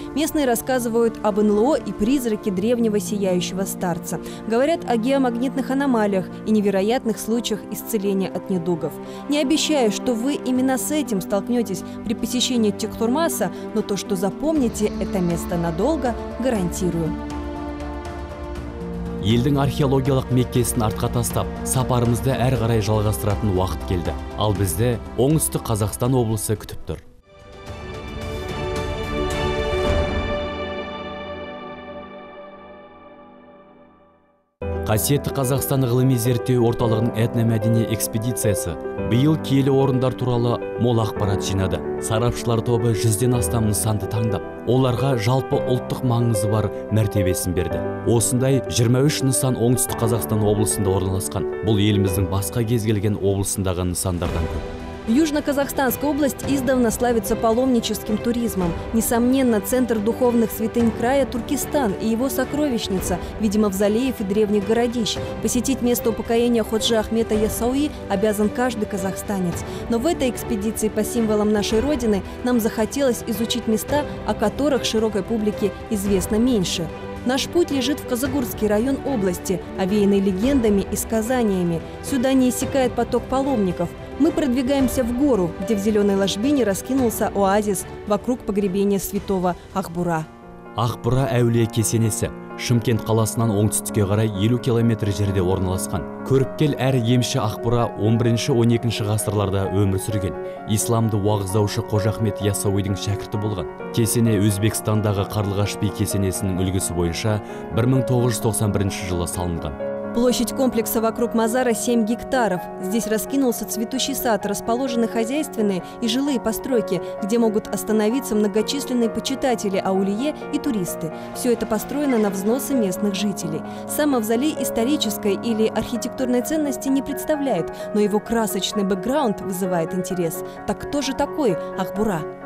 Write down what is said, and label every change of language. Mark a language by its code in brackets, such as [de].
[ru] Местные рассказывают об НЛО и призраке древнего сияющего старца. Говорят о геомагнитных аномалиях и невероятных случаях исцеления от недугов. Не обещаю, что вы именно с этим столкнетесь при посещении Тектұрмаса, но то, что запомните это место надолго, гарантирую. [kk] Елдің археологиялық меккесін артқа тастап, сапарымызды әр қарай жалғастыратын уақыт келді. Ал бізді оңтүстік Қазақстан облысы күтіп тұр. Қасиетті Қазақстан ғылыми зерттеу орталығының этномәдени экспедициясы биыл киелі орындар туралы мол ақпарат жинады. Сарапшылар тобы 100-ден астам нысанды таңдап, оларға жалпы ұлттық маңызы бар мәртебесін берді. Осындай 23 нысан оңтүстік Қазақстан облысында орналасқан, бұл еліміздің басқа кез келген облысындағы нысандардан көп. [ru] Южно-Казахстанская область издавна славится паломническим туризмом. Несомненно, центр духовных святынь края – Туркестан и его сокровищница, видимо, мавзолеев и древних городищ. Посетить место упокоения Ходжи Ахмета Яссауи обязан каждый казахстанец. Но в этой экспедиции по символам нашей Родины нам захотелось изучить места, о которых широкой публике известно меньше. Наш путь лежит в Казагурский район области, овеянный легендами и сказаниями. Сюда не иссякает поток паломников. Мы продвигаемся в гору, где в зеленой ложбине раскинулся оазис вокруг погребения святого Ахбура. [kk] Ахбура әулие кесенесі. Шымкент қаласынан оңтүстікке қарай 50 километр жерде орналасқан. Көріпкел әрі емші Ахбура 11-12 ғасырларда өмір сүрген. Исламды уағыздаушы Қожа Ахмет Яссауидің шәкірті болған. Кесене Өзбекстандағы Қарлығаш би кесенесінің үлгісі бойынша 1991 жылы салынған. [ru] Площадь комплекса вокруг Мазара 7 гектаров. Здесь раскинулся цветущий сад, расположены хозяйственные и жилые постройки, где могут остановиться многочисленные почитатели аулие и туристы. Все это построено на взносы местных жителей. Сам мавзолей исторической или архитектурной ценности не представляет, но его красочный бэкграунд вызывает интерес. Так кто же такой Ахбура?